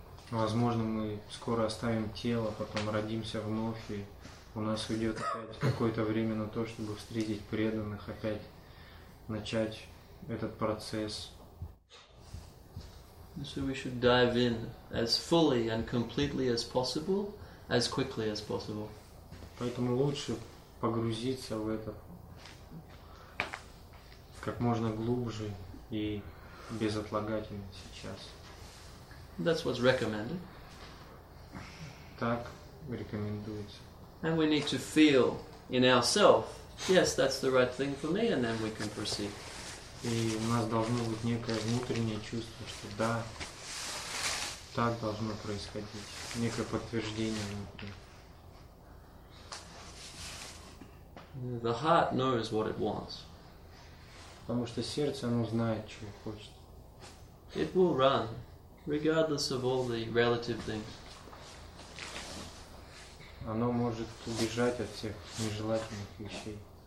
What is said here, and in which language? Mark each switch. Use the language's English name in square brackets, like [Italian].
[Russian] Возможно, мы скоро оставим тело, потом родимся вновь, и у нас уйдет опять какое-то время на то, чтобы встретить преданных, опять начать этот процесс. [English] So we should dive in as fully and completely as possible, as quickly as possible. [Russian] Поэтому лучше погрузиться в это как можно глубже и безотлагательно сейчас. [English] That's what's recommended. [Russian] Так рекомендуется. [English] And we need to feel in ourselves, yes, that's the right thing for me, and then we can proceed. [Russian] И у нас должно быть некое внутреннее чувство, что да, так должно происходить. Некое подтверждение внутри. [English] The heart knows what it wants. [Russian] Потому что сердце, оно знает, чего хочет. [English] It will run, regardless of all the relative things. [Russian] Оно может убежать от всех нежелательных вещей.